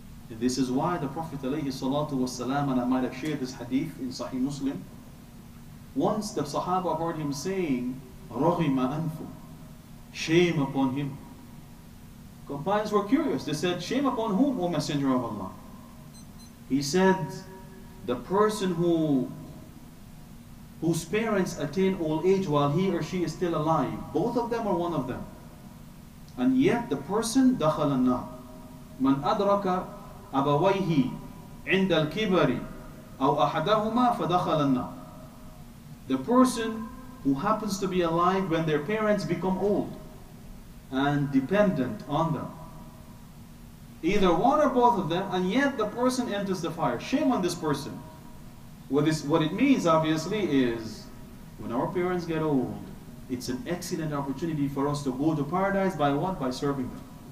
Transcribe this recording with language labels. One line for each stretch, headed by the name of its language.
English: And this is why the Prophet alayhi salatu wasalam, and I might have shared this hadith in Sahih Muslim, once the Sahaba heard him saying, "Raghima anfu," shame upon him. Companions were curious. They said, "Shame upon whom, O Messenger of Allah?" He said, "The person whose parents attain old age while he or she is still alive, both of them or one of them. And yet the person,
Arabic: دَخَلَ النَّارِ مَنْ أَدْرَكَ أَبَوَيْهِ عِنْدَ الْكِبَرِ أَوْ أَحَدَهُمَا فَدَخَلَ النَّارِ."
English: The person who happens to be alive when their parents become old and dependent on them. Either one or both of them, and yet the person enters the fire. Shame on this person. What it means, obviously, is when our parents get old, it's an excellent opportunity for us to go to paradise by what? By serving them.